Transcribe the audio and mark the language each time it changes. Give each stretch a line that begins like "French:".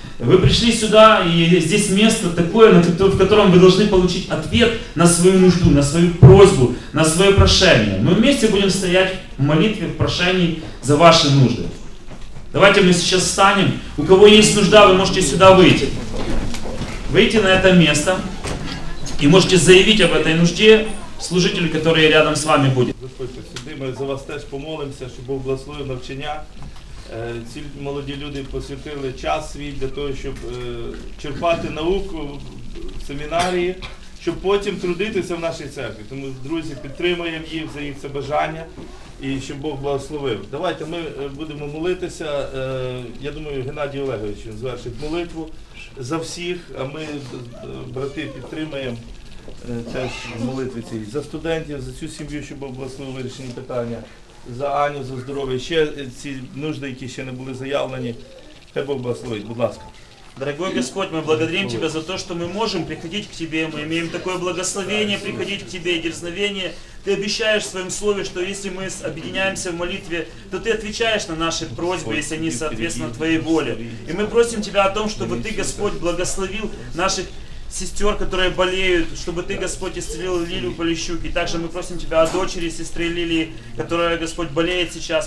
Russian: Вы пришли сюда, и здесь место такое, в котором вы должны получить ответ на свою нужду, на свою просьбу, на свое прошение. Мы вместе будем стоять в молитве, в прошении за ваши нужды. Давайте мы сейчас встанем. У кого есть нужда, вы можете сюда выйти. Выйти на это место. И можете заявить об этой нужде служителю, который рядом с вами будет.
Ukrainian: Господь, сюди мы за вас теж помолимся, щоб Бог благословив навчання. Ці молоді люди посвятили час свій для того, щоб черпати науку в семінарії, щоб потім трудитися в нашій церкві. Тому, друзі, підтримуємо їх за їх це бажання і щоб Бог благословив. Давайте ми будемо молитися, я думаю, Геннадій Олегович звершить молитву за всіх, а ми, брати, підтримуємо теж молитви цієї. За студентів, за цю сім'ю, щоб Бог благословив вирішені питання. За Аню, за здоров'я, ще ці нужди, які ще не були заявлені. Хай Бог благословить, будь ласка.
Russian: Дорогой Господь, мы благодарим Тебя за то, что мы можем приходить к Тебе. Мы имеем такое благословение приходить к Тебе и дерзновение. Ты обещаешь в Своем Слове, что если мы объединяемся в молитве, то Ты отвечаешь на наши просьбы, если они соответственно Твоей воле. И мы просим Тебя о том, чтобы Ты, Господь, благословил наших сестер, которые болеют, чтобы Ты, Господь, исцелил Лилию Полищук. И также мы просим Тебя о дочери сестры Лилии, которая, Господь, болеет сейчас.